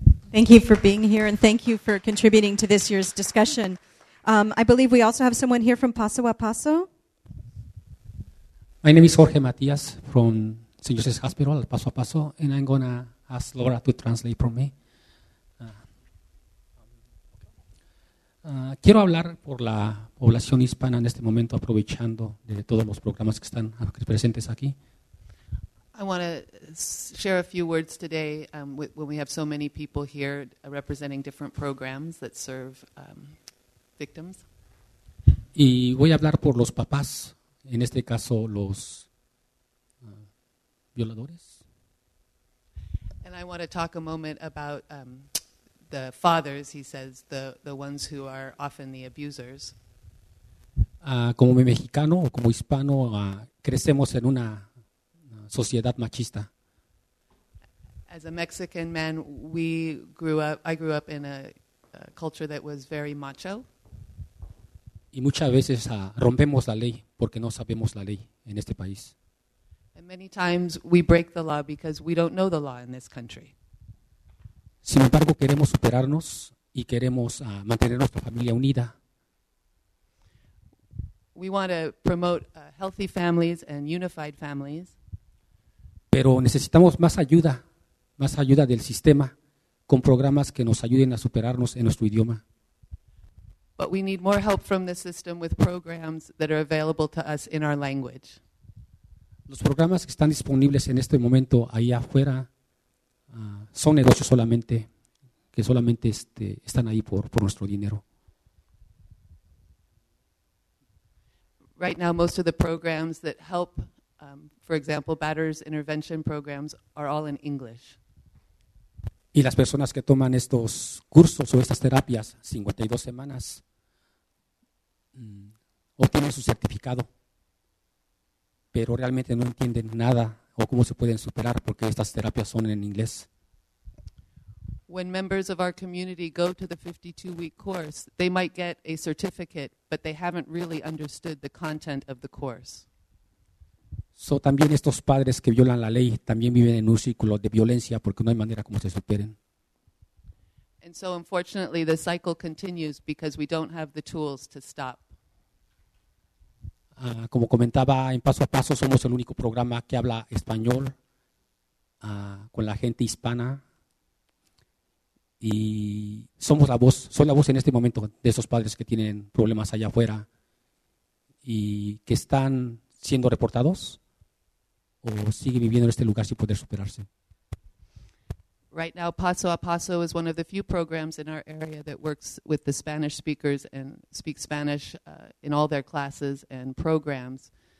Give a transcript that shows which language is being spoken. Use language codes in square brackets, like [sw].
[en] Thank you for being here, and thank you for contributing to this year's discussion. I believe we also have someone here from Paso a Paso. My name is Jorge Matias from St. Joseph's Hospital at Paso a Paso, and I'm going to ask Laura to translate for me. [es] Quiero hablar por la población hispana en este momento, aprovechando de todos los programas que están presentes aquí. [en] I want to share a few words today when we have so many people here representing different programs that serve victims. [es] Y voy a hablar por los papás, en este caso los violadores. [en] And I want to talk a moment about the fathers, he says, the ones who are often the abusers. [es] Como mexicano o como hispano, crecemos en una sociedad machista. [en] As a Mexican man, I grew up in a culture that was very macho. [es] Y muchas veces rompemos la ley porque no sabemos la ley en este país. [en] And many times we break the law because we don't know the law in this country. [es] Sin embargo, queremos superarnos y queremos mantener nuestra familia unida. [en] We want to promote healthy families and unified families. [es] Pero necesitamos más ayuda del sistema, con programas que nos ayuden a superarnos en nuestro idioma. [en] But we need more help from the system with programs that are available to us in our language. [es] Los programas que están disponibles en este momento ahí afuera son negocios solamente, que solamente están ahí por nuestro dinero. [en] Right now, most of the programs that help, for example, batterers intervention programs, are all in English. [es] Y las personas que toman estos cursos o estas terapias, 52 semanas, obtienen su certificado, pero realmente no entienden nada o cómo se pueden superar porque estas terapias son en inglés. [en] When members of our community go to the 52-week course, they might get a certificate, but they haven't really understood the content of the course. [es] So, también estos padres que violan la ley también viven en un círculo de violencia porque no hay manera como se superen. [en] And so, unfortunately, the cycle continues because we don't have the tools to stop. [es] Como comentaba, en Paso a Paso somos el único programa que habla español con la gente hispana. Y somos la voz, soy la voz en este momento de esos padres que tienen problemas allá afuera y que están siendo reportados o siguen viviendo en este lugar sin poder superarse. [en] Right now, Paso a Paso is one of the few programs in our area that works with the Spanish speakers and speaks Spanish in all their classes and programs.